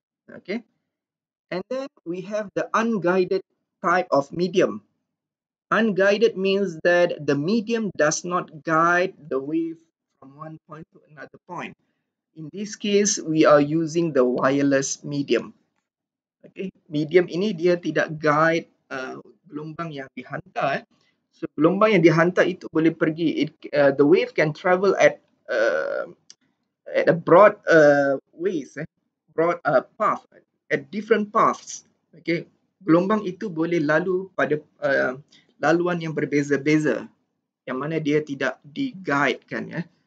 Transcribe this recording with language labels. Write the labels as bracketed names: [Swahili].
[English] Okay. And then we have the unguided type of medium. Unguided means that the medium does not guide the wave from one point to another point. In this case, we are using the wireless medium. [Malay] Okay, medium ini dia tidak guide gelombang yang dihantar. So gelombang yang dihantar itu boleh pergi. [English] The wave can travel at a broad ways, broad path. At different paths, okay. [Malay] Gelombang itu boleh lalu pada laluan yang berbeza-beza, yang mana dia tidak di-guide kan, ya.